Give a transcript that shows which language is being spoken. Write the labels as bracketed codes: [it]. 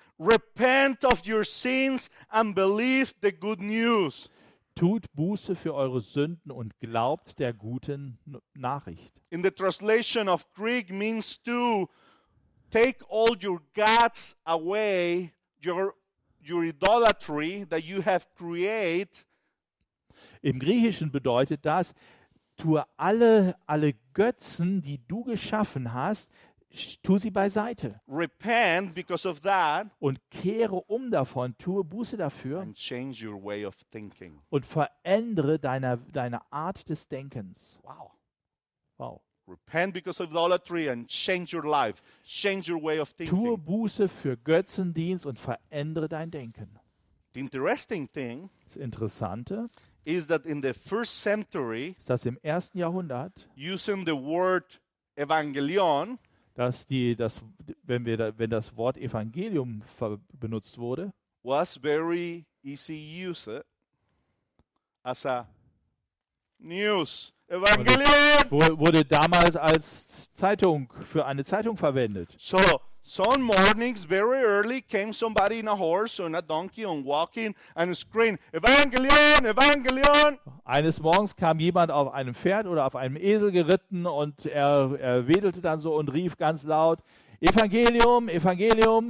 [en] Repent of your sins and believe the good news. [de] Tut Buße für eure Sünden und glaubt der guten Nachricht. [en] In the translation of Greek means to take all your gods away, your idolatry that you have created. [de] Im Griechischen bedeutet das, tue alle Götzen, die du geschaffen hast, tu sie beiseite. [en] Repent because of that. [de] Und kehre um davon, tue Buße dafür. [en] And change your way of thinking. [de] Und verändere deine Art des Denkens. [en] Wow. [de] Wow. [en] Repent because of idolatry and change your life. Change your way of thinking. [de] Tue Buße für Götzendienst und verändere dein Denken. [en] The interesting thing, [de] das Interessante, [en] is that in the first century, [de] ist, dass im ersten Jahrhundert, [en] using the word Evangelion, [de] wenn das Wort Evangelium benutzt wurde, [en] was very easy use it as a news. Evangelion [de] wurde damals als Zeitung für eine Zeitung verwendet. [en] So, some mornings very early came somebody in a horse or in a donkey and walking and screamed, Evangelion, Evangelion. [de] Eines Morgens kam jemand auf einem Pferd oder auf einem Esel geritten und er wedelte dann so und rief ganz laut, Evangelium, Evangelium.